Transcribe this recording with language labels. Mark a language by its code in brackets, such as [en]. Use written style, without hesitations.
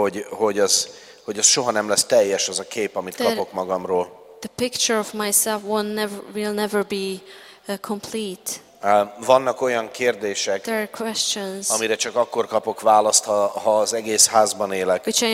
[hu] Hogy az soha nem lesz teljes az a kép, amit kapok magamról. [en] The picture of myself will never be complete. [hu] Vannak olyan kérdések, amire csak akkor kapok választ, ha az egész házban élek.